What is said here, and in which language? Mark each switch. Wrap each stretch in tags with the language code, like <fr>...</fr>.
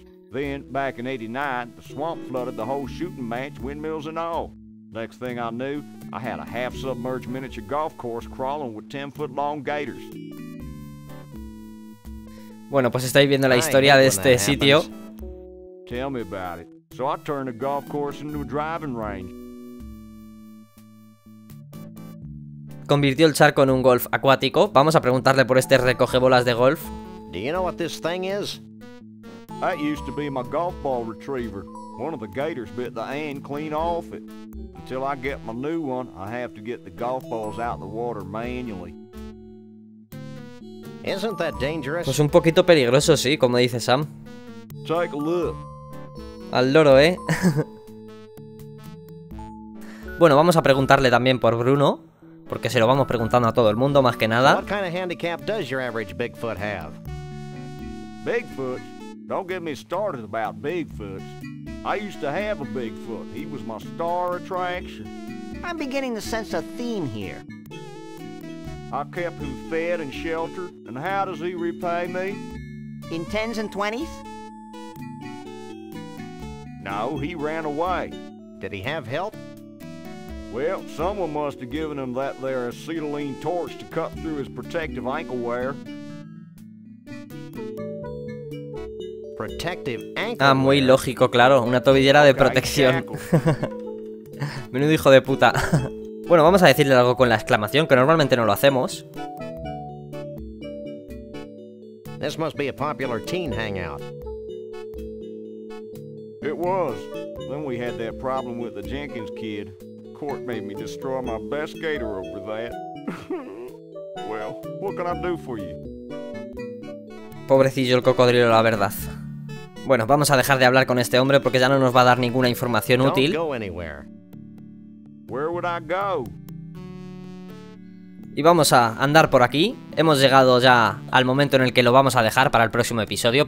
<en>Then back in 89, the swamp flooded the whole shooting match, windmills and all. Next thing I knew, I had a half submerged miniature golf course crawling with 10-foot long gators.</en> <es>Bueno, pues estáis viendo la historia de este sitio.</es> <en>Tell me about it. So I turned the golf course into a driving range.</en> <es>Convirtió el charco en un golf acuático. Vamos a preguntarle por este recoge bolas de golf.</es> <en>Do you know what this thing is? That used to be my golf ball retriever. One of the gators bit the end clean off it. Until I get my new one, I have to get the golf balls out of the water manually. Isn't that dangerous?</en> <es>Pues un poquito peligroso, sí, como dice Sam.</es> <en>Take a look.</en> <es>Al loro, Bueno, vamos a preguntarle también por Bruno, porque se lo vamos preguntando a todo el mundo, más que nada.</es> <en>What kind of handicap does your average Bigfoot have? Bigfoot? Don't get me started about Bigfoots. I used to have a Bigfoot. He was my star attraction. I'm beginning to sense a theme here. I kept him fed and sheltered, and how does he repay me? In tens and twenties? No, he ran away. Did he have help? Well, someone must have given him that there acetylene torch to cut through his protective ankle wear. Protective ankle wear.</en> <es>Ah, muy lógico, claro, una tobillera de protección. Menudo hijo de puta. Bueno, vamos a decirle algo con la exclamación, que normalmente no lo hacemos.</es> <en>This must be a popular teen hangout. It was. Then we had that problem with the Jenkins kid. Court made me destroy my best gator over that. Well, what can I do for you?</en> <es>Pobrecillo el cocodrilo, la verdad. Bueno, vamos a dejar de hablar con este hombre porque ya no nos va a dar ninguna información útil.</es> <en>Don't go anywhere. Where would I go?</en> <es>y vamos a andar por aquí. Hemos llegado ya al momento en el que lo vamos a dejar para el próximo episodio.</es>